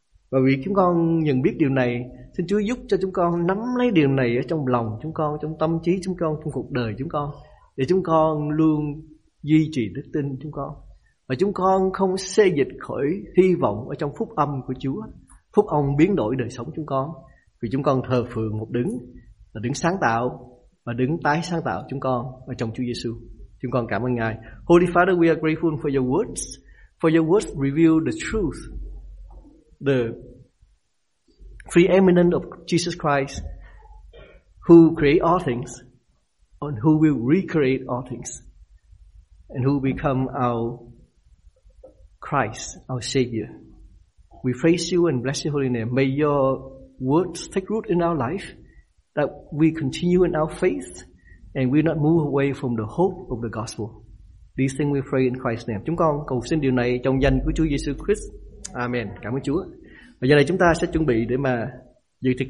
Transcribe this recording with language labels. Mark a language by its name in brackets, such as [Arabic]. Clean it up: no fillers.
[Vietnamese] Và vì chúng con nhận biết điều này, xin Chúa giúp cho chúng con nắm lấy điều này ở trong lòng chúng con, trong tâm trí chúng con, trong cuộc đời chúng con, để chúng con luôn duy trì đức tin chúng con. Và chúng con không xê dịch khỏi hy vọng ở trong phúc âm của Chúa. Phúc âm biến đổi đời sống chúng con, vì chúng con thờ phượng một đấng là đấng sáng tạo và đấng tái sáng tạo chúng con ở trong Chúa Giêsu. Chúng con cảm ơn Ngài. [English] Holy Father, we are grateful for your words. For your words reveal the truth, the preeminence of Jesus Christ, who create all things and who will recreate all things and who become our Christ, our Savior. We praise you and bless your holy name. May your words take root in our life, that we continue in our faith and we not move away from the hope of the gospel. These things we pray in Christ's name. [Vietnamese] Chúng con cầu xin điều này trong danh của Chúa Giêsu Christ. Amen. Cảm ơn Chúa. Và giờ này chúng ta sẽ chuẩn bị để mà dự thực hành.